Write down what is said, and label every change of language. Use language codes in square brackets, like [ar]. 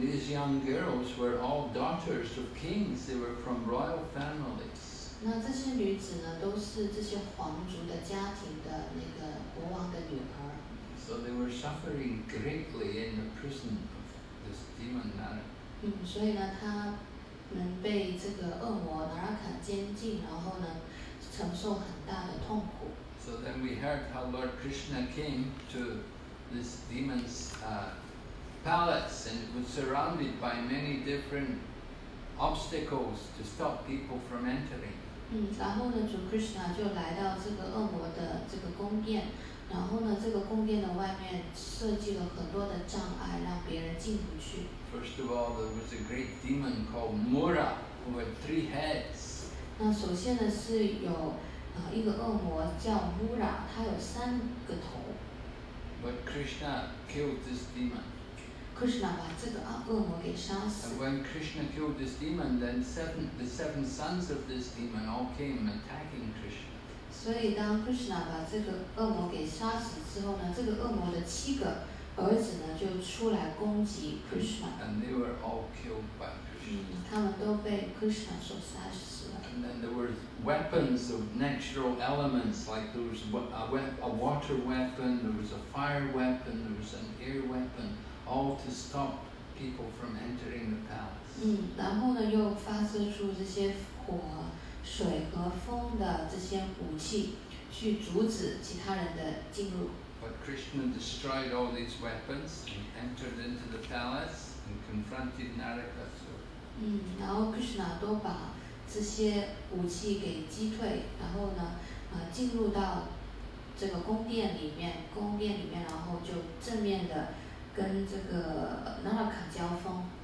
[en] these young girls were all daughters of kings. They were from royal families. [zh] 那这些女子呢，都是这些皇族的家庭的那个国王的女儿。 [en] So they were suffering greatly in the prison. This demon Narada. [zh] 们被这个恶魔拿拉卡监禁，然后呢，承受很大的痛苦。 [en] So then we heard how Lord Krishna came to this demon's palace and was surrounded by many different obstacles to stop people from entering. [zh] 然后呢，主 Krishna 就来到这个恶魔的这个宫殿，然后呢，这个宫殿的外面设计了很多的障碍，让别人进不去。 [en] First of all, there was a great demon called Mura, who had three heads. [zh] 那首先呢是有一个恶魔叫 Mura, 他有三个头。 [en] But Krishna killed this demon. [zh] Krishna 把这个恶魔给杀死。 [en] And when Krishna killed this demon, then the seven sons of this demon all came attacking Krishna. [zh] 所以当 Krishna 把这个恶魔给杀死之后呢，这个恶魔的七个儿子呢就出来攻击 Krishna。 [en] And they were all killed by Krishna. [zh] 他们都被 Krishna 所杀死。 [en] And then there were weapons of natural elements, like there was a water weapon, there was a fire weapon, there was an air weapon, all to stop people from entering the palace. [zh] 然后呢，又发射出这些火、水和风的这些武器，去阻止其他人的进入。 [en] But Krishna destroyed all these weapons and entered into the palace and confronted Narakasura. [zh] 然后 Krishna 都把这些武器给击退，然后呢，进入到这个宫殿里面，然后就正面的跟这个 Naraka 交锋。